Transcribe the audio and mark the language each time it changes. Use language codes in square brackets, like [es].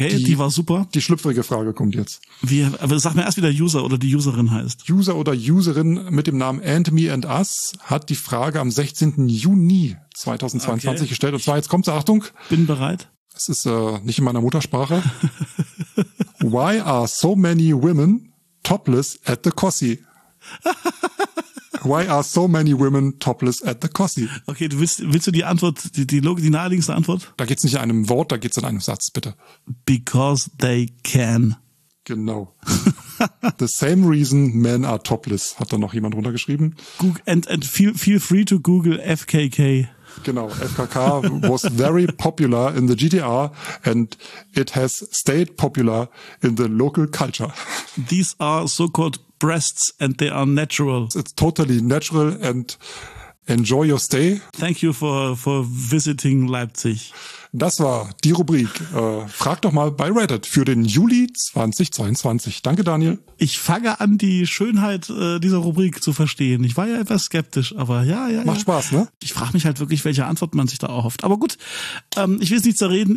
[de] die war super. Die schlüpfrige Frage kommt jetzt. Sag mir erst, wie der User oder die Userin heißt. User oder Userin mit dem Namen And Me and Us hat die Frage am 16. Juni 2022 gestellt. Und zwar, jetzt kommt's, Achtung. Bin bereit. Es ist nicht in meiner Muttersprache. [en] Why are so many women topless at the Cossi? Why are so many women topless at the Cossi? [de] Okay, willst du die Antwort, die naheliegendste Antwort? Da geht's nicht in einem Wort, da geht's in einem Satz, bitte. [en] Because they can. [de] Genau. [en] The same reason men are topless, [de] hat da noch jemand runtergeschrieben. [en] And feel free to Google FKK. [de] Genau, [en] FKK was very popular in the GTR and it has stayed popular in the local culture. These are so-called breasts and they are natural. It's totally natural and enjoy your stay. Thank you for visiting Leipzig. [de] Das war die Rubrik. Frag doch mal bei Reddit für den Juli 2022. Danke, Daniel. Ich fange an, die Schönheit dieser Rubrik zu verstehen. Ich war ja etwas skeptisch, aber ja. Macht Spaß, ne? Ich frage mich halt wirklich, welche Antwort man sich da erhofft. Aber gut, ich will es nicht zerreden.